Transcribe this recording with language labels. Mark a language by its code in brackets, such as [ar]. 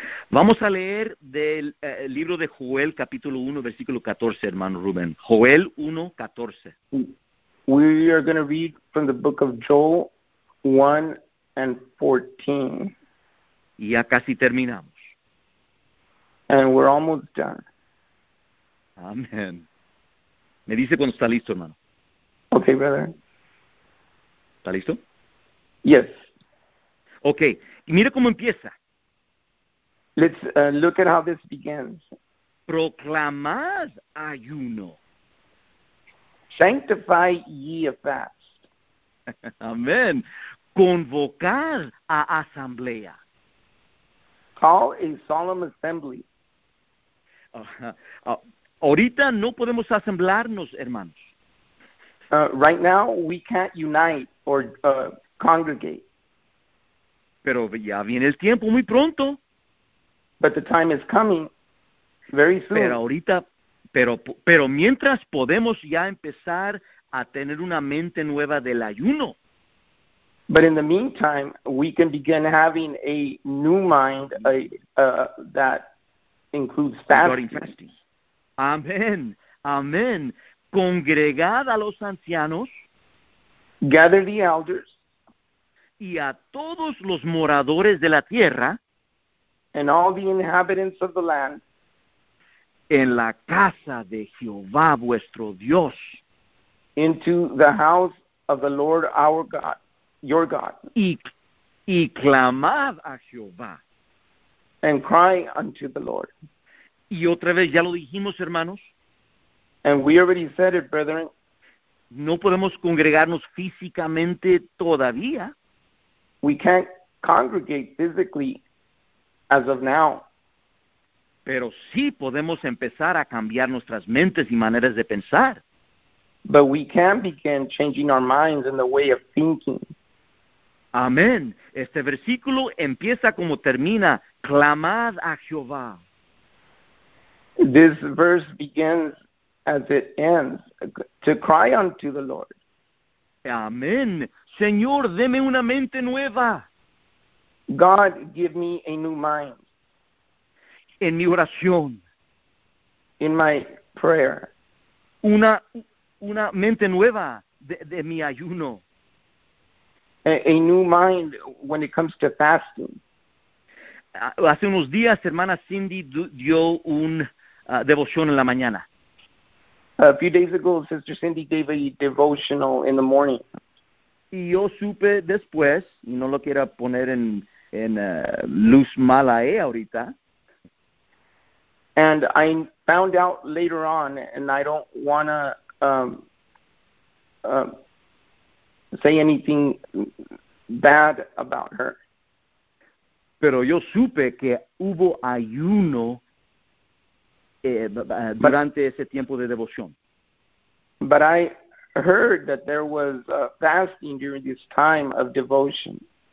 [es] Vamos a leer del libro de Joel, capítulo 1, versículo 14, hermano Rubén. Joel 1, 14. [en] We are going to read from the book of Joel 1 and 14. [es] Y ya casi terminamos. [en] And we're almost done. [es] Amén. Me dice cuando está listo, hermano. [en] Okay, brother. [es] ¿Está listo? [en] Yes. [es] Okay. Y mire cómo empieza. [en] Let's look at how this begins. [es] Proclamad ayuno. [en] Sanctify ye a fast. [es] Amén. Convocar a asamblea. [en] Call a solemn assembly. [es] Ahorita no podemos asemblarnos, hermanos. [en] Right now, we can't unite or congregate. [es] Pero ya viene el tiempo, muy pronto. [en] But the time is coming, very soon. [es] Pero ahorita, pero mientras podemos ya empezar a tener una mente nueva del ayuno. [en] But in the meantime, we can begin having a new mind that includes fasting. [es] Amén, amén. Congregad a los ancianos. [en] Gather the elders. [es] Y a todos los moradores de la tierra. [en] And all the inhabitants of the land. [es] En la casa de Jehová vuestro Dios. [en] Into the house of the Lord our God. Your God. [es] Y clamad a Jehová. [en] And cry unto the Lord. [es] Y otra vez, ya lo dijimos, hermanos. [en] And we already said it, brethren. [es] No podemos congregarnos físicamente todavía. [en] We can't congregate physically as of now. [es] Pero sí podemos empezar a cambiar nuestras mentes y maneras de pensar. [en] But we can begin changing our minds and the way of thinking. [es] Amén. Este versículo empieza como termina, clamad a Jehová. [en] This verse begins as it ends, to cry unto the Lord. [es] Amén. Señor, deme una mente nueva. [en] God, give me a new mind. [es] En mi oración. [en] In my prayer. [es] Una mente nueva de mi ayuno. [en] A new mind when it comes to fasting. [es] Hace unos días, hermana Cindy dio un devoción en la mañana. [en] A few days ago, Sister Cindy gave a devotional in the morning. [es] Y yo supe después, no lo quiero poner en luz mala ahorita. [en] And I found out later on, and I don't want to say anything bad about her. [es] Pero yo supe que hubo ayuno durante ese tiempo de devoción. [en] But I heard that there was fasting during this time of devotion.